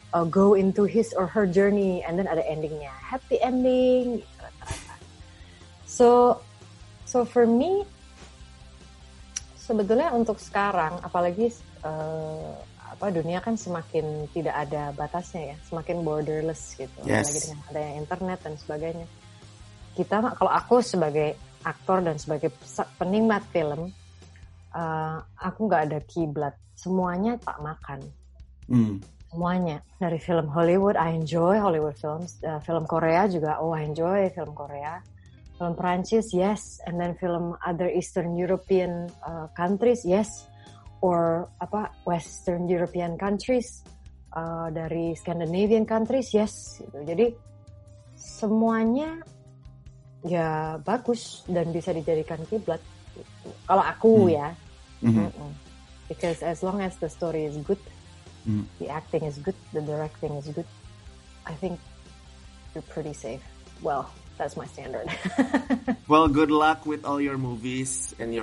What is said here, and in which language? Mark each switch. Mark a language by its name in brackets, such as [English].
[English] go into his or her journey, and then [Indonesian] ada endingnya, [English] happy ending. So for me, [Indonesian] sebetulnya untuk sekarang, apalagi dunia kan semakin tidak ada batasnya ya, semakin borderless gitu. [English] Yes. [Indonesian] Lagi dengan adanya internet dan sebagainya. Kita, kalau aku sebagai aktor dan sebagai penikmat film, aku nggak ada kiblat. Semuanya tak makan. Mm. Semuanya. Dari film Hollywood, [English] I enjoy Hollywood films. [Indonesian] Film Korea juga, [English] I enjoy [Indonesian] film Korea. Film Perancis, yes. [English] And then film other Eastern European countries, yes. Or Western European countries, dari Scandinavian countries, yes. Gitu. [Indonesian] Jadi semuanya ya bagus dan bisa dijadikan kiblat. Gitu. Kalau aku ya. Mm-hmm. [English] Because as long as the story is good, the acting is good, the directing is good, I think you're pretty safe. Well, that's my standard. Well, good luck with all your movies and your